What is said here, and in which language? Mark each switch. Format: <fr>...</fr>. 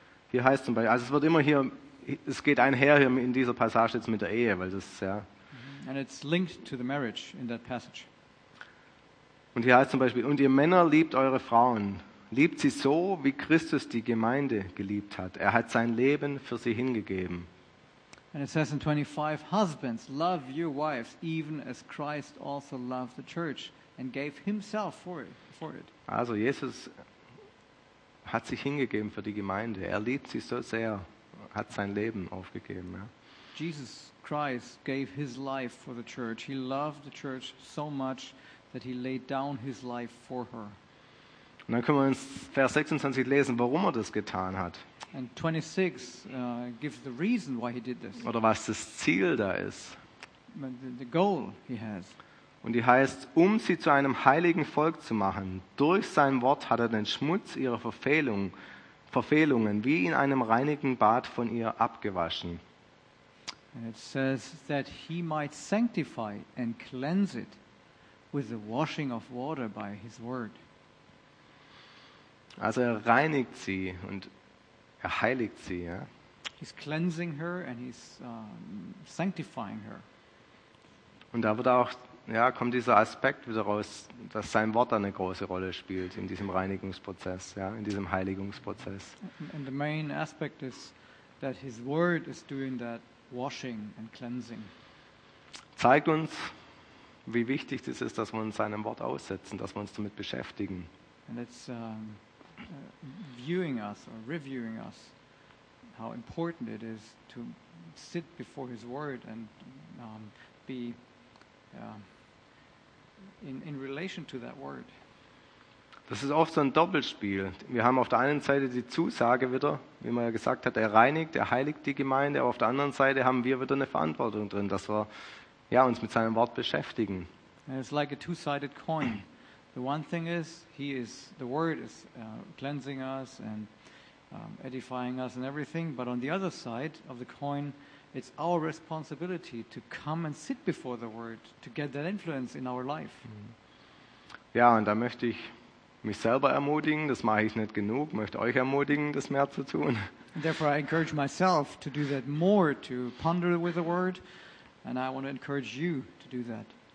<de>Hier heißt zum Beispiel, also es wird immer hier, es geht einher hier in dieser Passage jetzt mit der Ehe, weil das ja.</de> <en>And it's linked to the marriage in that passage.</en> <de>Und hier heißt zum Beispiel, und ihr Männer liebt eure Frauen. Liebt sie so, wie Christus die Gemeinde geliebt hat. Er hat sein Leben für sie hingegeben.</de> <en>And it says in 25, husbands, love your wives, even as Christ also loved the church and gave himself for it.</en> <de>Also Jesus hat sich hingegeben für die Gemeinde. Er liebt sie so sehr, hat sein Leben aufgegeben. Ja.</de> <en>Jesus Christ gave his life for the church. He loved the church so much that he laid down his life for her.</en> <de>Und dann können wir uns Vers 26 lesen, warum er das getan hat.</de> <en>And 26 gives the reason why he did this.</en> <de>Oder was das Ziel da ist.</de> <en>The goal he has.</en> <de>Und die heißt, um sie zu einem heiligen Volk zu machen. Durch sein Wort hat er den Schmutz ihrer Verfehlungen wie in einem reinigen Bad von ihr abgewaschen.</de> <en>And it says that he might sanctify and cleanse it with the washing of water by his word.</en> <de>Also er reinigt sie und er heiligt sie, ja.</de> <en>He's cleansing her and he's sanctifying her.</en> <de>Und da wird auch, ja, kommt dieser Aspekt wieder raus, dass sein Wort eine große Rolle spielt in diesem Reinigungsprozess, ja, in diesem Heiligungsprozess.</de> <en>And the main aspect is that his word is doing that washing and cleansing.</en> <de>Zeigt uns, wie wichtig es ist, dass wir uns seinem Wort aussetzen, dass wir uns damit beschäftigen.</de> <en>And it's viewing us or reviewing us how important it is to sit before his word and be in relation to that word.</en> <de>Das ist oft so ein Doppelspiel. Wir haben auf der einen Seite die Zusage wieder, wie man ja gesagt hat, er reinigt, er heiligt die Gemeinde, aber auf der anderen Seite haben wir wieder eine Verantwortung drin, dass wir ja, uns mit seinem Wort beschäftigen.</de> <en>And it's like a two-sided coin. The one thing is, he is, the word is cleansing us and edifying us and everything, but on the other side of the coin, it's our responsibility to come and sit before the word to get that influence in our life.</en> <de>Ja, und da möchte ich mich selber ermutigen, das mache ich nicht genug, möchte euch ermutigen, das mehr zu tun.</de> <en>Therefore I encourage myself to do that more, to ponder with the word, and I want to encourage you to do that.</en>